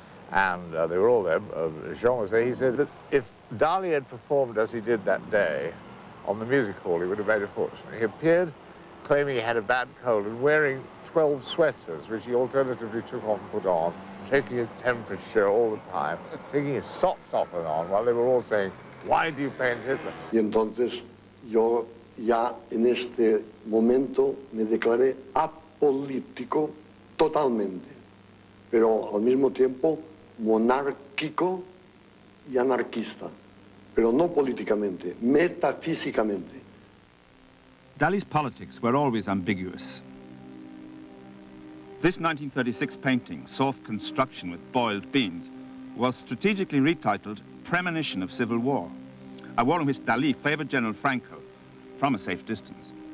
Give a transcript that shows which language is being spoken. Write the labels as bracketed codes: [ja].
[en] And they were all there. Jean was there. He said that if Dali had performed as he did that day on the music hall, he would have made a fortune. He appeared claiming he had a bad cold and wearing 12 sweaters, which he alternatively took off and put on, taking his temperature all the time, taking his socks off and on, while they were all saying, why do you paint Hitler? [es] Y entonces, yo ya en este momento me declaré apolítico totalmente, pero al mismo tiempo monárquico y anarquista, pero no políticamente, metafísicamente. [en] Dali's politics were always ambiguous. This 1936 painting, Soft Construction with Boiled Beans, was strategically retitled Premonition of Civil War, a war in which Dali favored General Franco from a safe distance.